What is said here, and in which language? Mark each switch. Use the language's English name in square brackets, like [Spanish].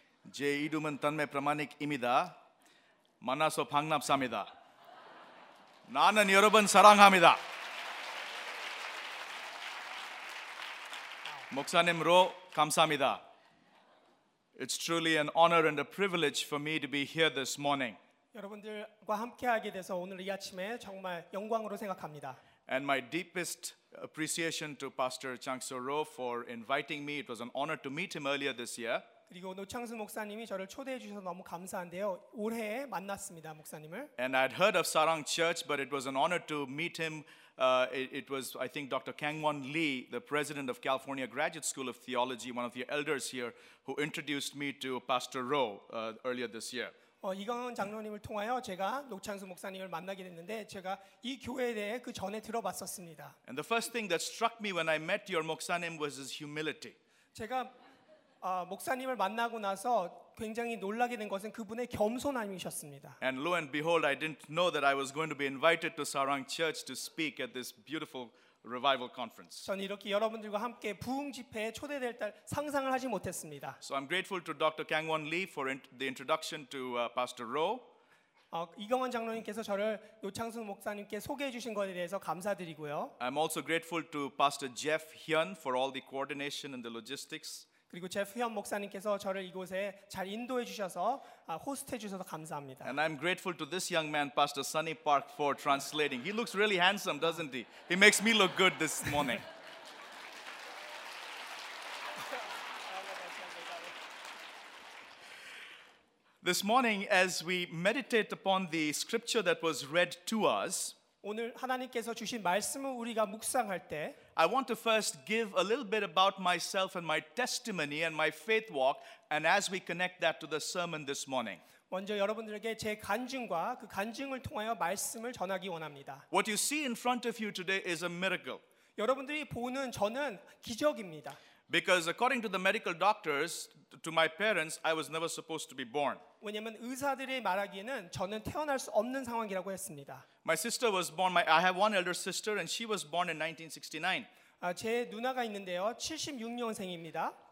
[Korean] 제 이름은 단메 프라마닉입니다. 만나서 반갑습니다. 나는 여러분 사랑합니다. 목사님으로 감사합니다. [English] It's truly an honor and a privilege for me to be here this morning. [Korean] 여러분들과 함께하게 돼서 오늘 이 아침에 정말 영광으로 생각합니다. [English] And my deepest appreciation to Pastor Chang Soro for inviting me. It was an honor to meet him earlier this year. [Korean] 그리고 노창수 목사님이 저를 초대해 주셔서 너무 감사한데요. 올해 만났습니다, 목사님을. [English] And I'd heard of Sarang Church, but it was an honor to meet him. It was, I think, Dr. Kangwon Lee, the president of California Graduate School of Theology, one of the elders here, who introduced me to Pastor Roh earlier this year. [Korean] 이강원 장로님을 통하여 제가 노창수 목사님을 만나게 됐는데 제가 이 교회에 대해 그 전에 들어봤었습니다. [English] And the first thing that struck me when I met your 목사님 was his humility. [Korean] 제가 목사님을 만나고 나서 굉장히 놀라게 된 것은 그분의 겸손함이셨습니다. [English] And lo and behold, I didn't know that I was going to be invited to Sarang Church to speak at this beautiful revival conference. [Korean] 저는 이렇게 여러분들과 함께 부흥 집회에 초대될 날 상상을 하지 못했습니다. [English] So I'm grateful to Dr. Kangwon Lee for the introduction to Pastor Roh. [Korean] 이경원 장로님께서 저를 노창수 목사님께 소개해 주신 것에 대해서 감사드리고요. [English] I'm also grateful to Pastor Jeff Hyun for all the coordination and the logistics. [Korean] 그리고 제프 현 목사님께서 저를 이곳에 잘 인도해 주셔서 호스트해 주셔서 감사합니다. [English] And I'm grateful to this young man, Pastor Sunny Park, for translating. He looks really handsome, doesn't he? He makes me look good this morning. [Korean] 감사합니다. [English] This morning, as we meditate upon the scripture that was read to us, [Korean] 오늘 하나님께서 주신 말씀을 우리가 묵상할 때 [English] I want to first give a little bit about myself and my testimony and my faith walk and as we connect that to the sermon this morning. [Korean] 먼저 여러분들에게 제 간증과 그 간증을 통하여 말씀을 전하기 원합니다. [English] What you see in front of you today is a miracle. [Korean] 여러분들이 보는 저는 기적입니다. [English] Because according to the medical doctors, to my parents, I was never supposed to be born. [Korean] 왜냐면 의사들이 말하기에는 저는 태어날 수 없는 상황이라고 했습니다. [English] My sister was born. I have one elder sister, and she was born in 1969. [Korean] 제 누나가 있는데요, 76년생입니다.